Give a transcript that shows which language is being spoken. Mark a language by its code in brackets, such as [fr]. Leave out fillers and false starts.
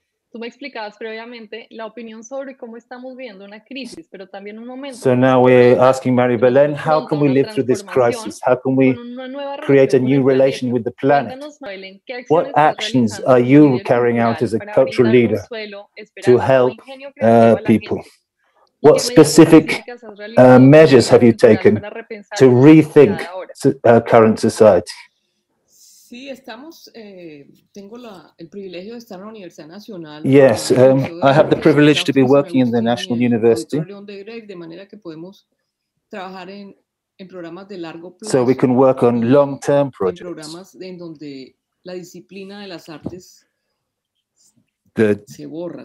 [es] Tú me explicabas previamente la opinión sobre cómo estamos viviendo una crisis, pero también un momento. [en] So now we're asking Mary Belén, how can we live through this crisis? How can we create a new relation with the planet? What actions are you carrying out as a cultural leader to help people? What specific measures have you taken to rethink current society? [es] Sí, estamos, tengo el privilegio de estar en la Universidad Nacional. [en] Yes, I have the privilege to be working in the National University. [es] De manera que podemos trabajar en programas de largo plazo. [en] So we can work on long-term projects. [es] Programas en donde la disciplina de las artes se borra.